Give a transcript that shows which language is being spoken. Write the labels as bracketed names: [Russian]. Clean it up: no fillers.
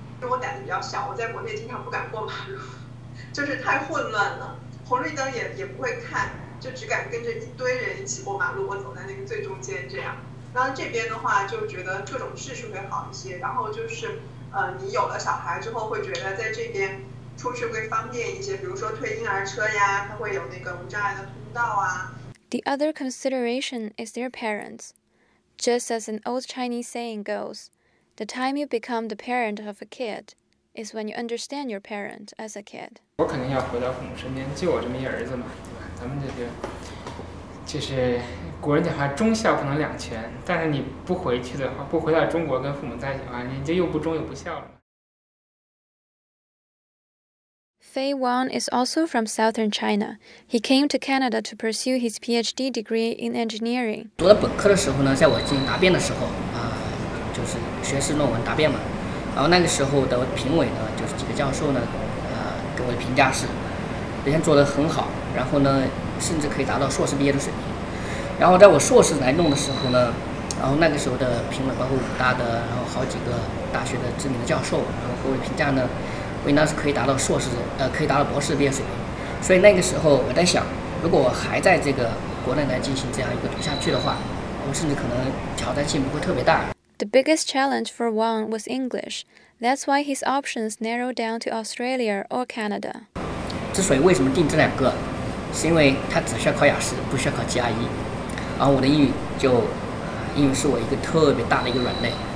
[Chinese] 因为我胆子比较小，我在国内经常不敢过马路，就是太混乱了，红绿灯也不会看，就只敢跟着一堆人一起过马路，我走在那个最中间这样。那这边的话就觉得各种秩序会好一些，然后就是你有了小孩之后会觉得在这边出去会方便一些，比如说推婴儿车呀，它会有那个无障碍的通道啊。 [English] The other consideration is their parents. Just as an old Chinese saying goesThe time you become the parent of a kid is when you understand your parent as a kid. [Chinese] 我肯定要回到父母身边，就我这么一儿子嘛，对吧？咱们这个就是古人讲话，忠孝不能两全。但是你不回去的话，不回到中国跟父母在一起的话，你就又不忠又不孝了。 [English] Fei Wang is also from southern China. He came to Canada to pursue his PhD degree in engineering. [Chinese] 读了本科的时候呢，在我进行答辩的时候。就是学士论文答辩嘛，然后那个时候的评委呢，就是几个教授呢，给我的评价是，表现做得很好，然后呢，甚至可以达到硕士毕业的水平。然后在我硕士来弄的时候呢，然后那个时候的评委包括武大的，然后好几个大学的知名的教授，然后给我评价呢，我应当是可以达到硕士，可以达到博士毕业水平。所以那个时候我在想，如果我还在这个国内来进行这样一个读下去的话，我甚至可能挑战性不会特别大。 [English] The biggest challenge for Wang was English. That's why his options narrowed down to Australia or Canada. [Chinese] 之所以为什么定这两个，是因为他只需要考雅思，不需要考 GRE。然后我的英语就，英语是我一个特别大的一个软肋。